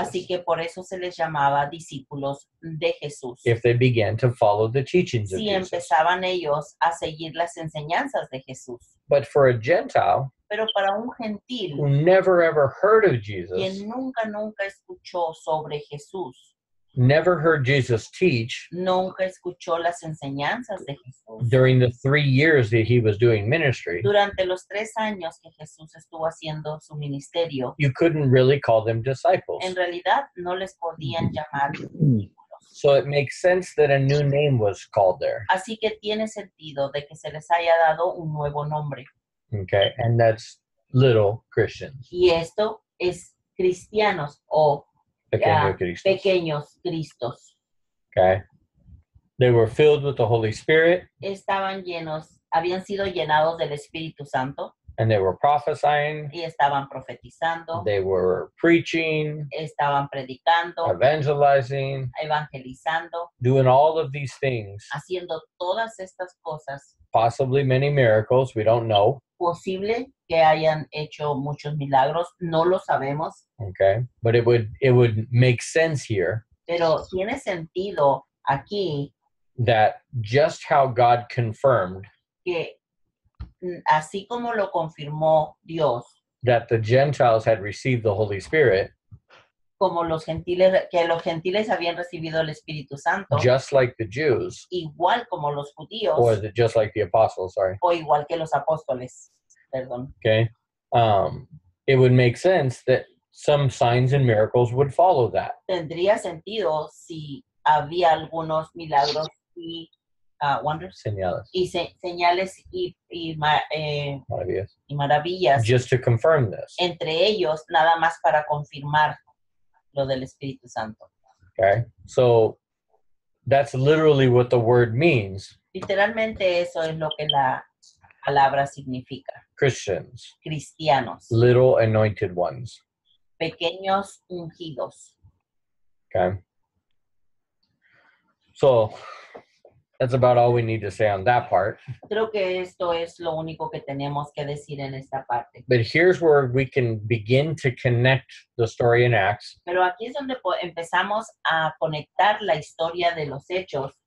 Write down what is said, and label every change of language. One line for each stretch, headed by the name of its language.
Spanish: Así que por eso se les llamaba discípulos de Jesús.
English: If they began to follow the teachings
Spanish: si
English: of Jesus.
Spanish: Si empezaban ellos a seguir las enseñanzas de Jesús.
English: But for a Gentile.
Spanish: Pero para un gentil.
English: Who never ever heard of Jesus.
Spanish: Quien nunca escuchó sobre Jesús.
English: Never heard Jesus teach.
Spanish: Nunca escuchó las enseñanzas de Jesús.
English: During the 3 years that he was doing ministry.
Spanish: Durante los 3 años que Jesús estuvo haciendo su ministerio.
English: You couldn't really call them disciples.
Spanish: En realidad no les podían llamar.
English: So it makes sense that a new name was called there.
Spanish: Así que tiene sentido de que se les haya dado un nuevo nombre.
English: Okay, and that's little Christians.
Spanish: Y esto es cristianos o pequeños Cristos.
English: Okay. They were filled with the Holy Spirit.
Spanish: Estaban llenos, habían sido llenados del Espíritu Santo.
English: And they were prophesying.
Spanish: Y estaban profetizando.
English: They were preaching.
Spanish: Estaban predicando.
English: Evangelizing.
Spanish: Evangelizando.
English: Doing all of these things.
Spanish: Haciendo todas estas cosas.
English: Possibly many miracles, we don't know.
Spanish: Posible que hayan hecho muchos milagros, no lo sabemos.
English: Okay, but it would make sense here.
Spanish: Pero tiene sentido aquí.
English: That just how God confirmed.
Spanish: Que así como lo confirmó Dios.
English: That the Gentiles had received the Holy Spirit.
Spanish: Como los gentiles, que los gentiles habían recibido el Espíritu Santo.
English: Just like the Jews.
Spanish: Igual como los judíos.
English: Or just like the apostles, sorry.
Spanish: O igual que los apóstoles, perdón.
English: Okay. It would make sense that some signs and miracles would follow that.
Spanish: Tendría sentido si había algunos milagros y
English: wonders.
Spanish: Señales. Señales y maravillas.
English: Just to confirm this.
Spanish: Entre ellos, nada más para confirmar lo del Espíritu Santo.
English: Okay. So, that's literally what the word means.
Spanish: Literalmente eso es lo que la palabra significa.
English: Christians.
Spanish: Cristianos.
English: Little anointed ones.
Spanish: Pequeños ungidos.
English: Okay. So, that's about all we need to say on that part.
Spanish: Creo que esto es lo único que tenemos que decir en esta parte.
English: But here's where we can begin to connect the story in Acts.
Spanish: Pero aquí es donde empezamos a conectar la historia de los hechos.